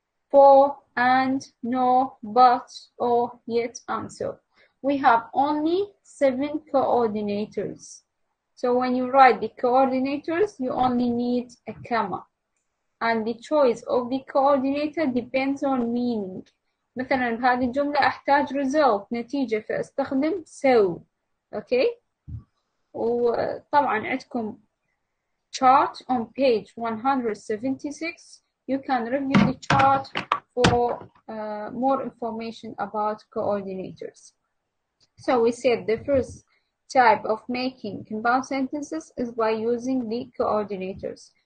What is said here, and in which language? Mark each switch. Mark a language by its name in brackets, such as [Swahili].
[English] For, and, no, but, or, yet, and so. We have only seven coordinators. So when you write the coordinators, you only need a comma. And the choice of the coordinator depends on meaning. [Arabic] مثلا هذه الجملة أحتاج result, نتيجة فأستخدم so. [English] Okay? [Arabic] وطبعا عندكم [English] chart on page 176. You can review the chart for more information about coordinators. So we said the first type of making compound sentences is by using the coordinators.